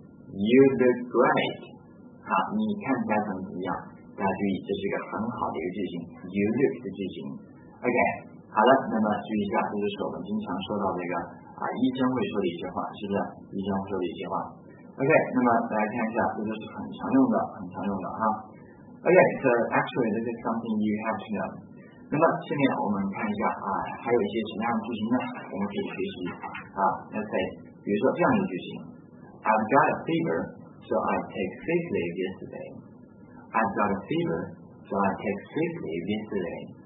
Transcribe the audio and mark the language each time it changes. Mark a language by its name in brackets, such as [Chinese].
[English] You look great. [Chinese] 你看起来怎么样？大家注意，这是一个很好的一个句型 ， [English] You look [Chinese] 的句型。 OK， 好了，那么注意一下，这就是我们经常说到这个。医生会说的一些话，是不是？医生会说的一些话。OK， 那么大家看一下，这就是很常用的，很常用的哈。 [English] OK， so actually this is something you have to know。 [Chinese] 那么下面我们看一下还有一些什么样的句型呢？我们可以学习 [English] let's say， [Chinese] 比如说这样的句型 [English] ：I've got a fever, so I take sick leave yesterday. I've got a fever, so I take sick leave yesterday.